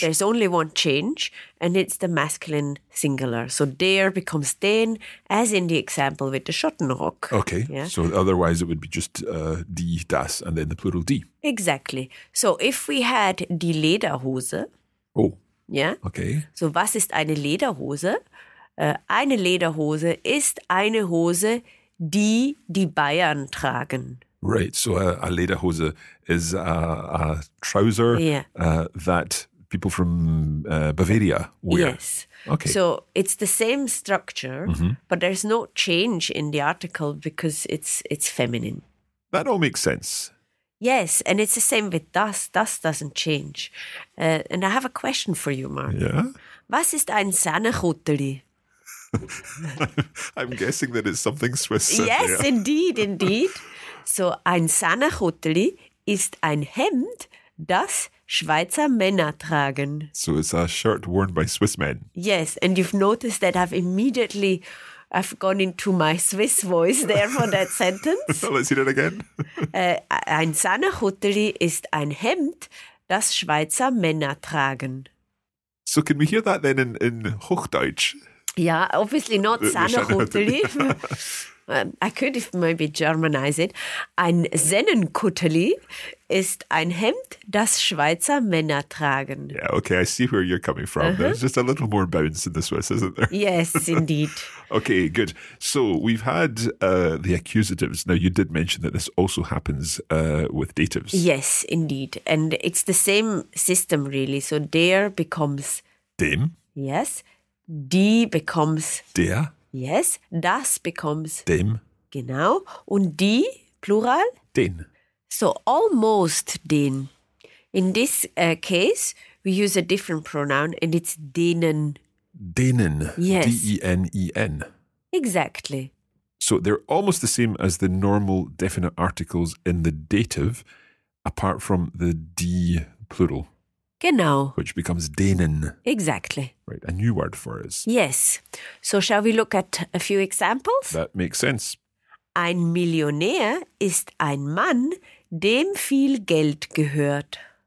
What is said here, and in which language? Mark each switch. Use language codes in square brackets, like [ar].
[en] There's only one change, and it's the masculine singular. So der becomes den, as in the example with the Schottenrock. Okay. Yeah? So otherwise it would be just die, das, and then the plural die. Exactly. So if we had die Lederhose. Oh. Yeah. Okay. [de] So was ist eine Lederhose? Eine Lederhose ist eine Hose, die Bayern tragen. [en] Right. So a Lederhose is a trouser that people from Bavaria wear. Yes. Okay. So it's the same structure, but there's no change in the article because it's feminine. That all makes sense. Yes, and it's the same with das. Das doesn't change. And I have a question for you, Mark. Yeah? [de] Was ist ein Sahnekutteli? [en] I'm guessing that it's something Swiss. Yes, indeed. So ein Sahnekutteli [de] ist ein Hemd, das Schweizer Männer tragen. [en] So it's a shirt worn by Swiss men. Yes, and you've noticed that I've gone into my Swiss voice there for that sentence. Let's hear it again. [de] Ein Sanachutteli ist ein Hemd, das Schweizer Männer tragen. [en] So can we hear that then in Hochdeutsch? Yeah, obviously not Sanachutteli. I could maybe Germanize it. [de] Ein Sennenkutteli ist ein Hemd, das Schweizer Männer tragen. [en] Yeah, okay, I see where you're coming from. Uh-huh. There's just a little more bounce in the Swiss, isn't there? Yes, indeed. Okay, good. So we've had the accusatives. Now, you did mention that this also happens with datives. Yes, indeed. And it's the same system, really. So der becomes... [de] dem. [en] Yes. Die becomes... [de] der. [en] Yes, das becomes [de] dem. Genau. Und die, plural? Den. [en] So almost den. In this case, we use a different pronoun and it's denen. [de] Denen. [en] Yes. D-E-N-E-N. Exactly. So they're almost the same as the normal definite articles in the dative, apart from the D plural. [de] Genau. [en] Which becomes denen. Exactly. Right, a new word for us. Yes. So shall we look at a few examples? That makes sense. [de] Ein Millionär ist ein Mann, dem viel Geld gehört.